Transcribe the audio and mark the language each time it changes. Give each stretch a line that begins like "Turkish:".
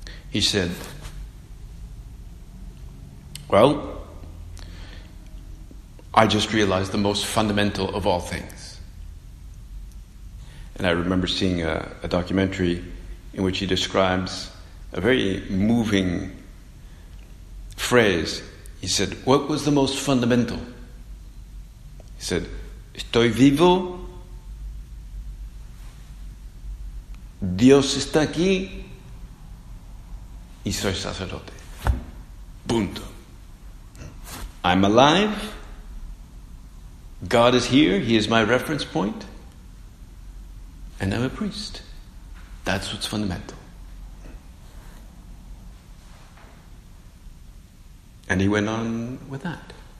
English: He said, well, I just realized the most fundamental of all things. And I remember seeing a documentary in which he describes a very moving phrase. He said, what was the most fundamental?
Spanish: He said, estoy vivo, Dios está aquí, y soy sacerdote. Punto.
English: I'm alive, God is here, he is my reference point, and I'm a priest. That's what's fundamental. And he went on with that.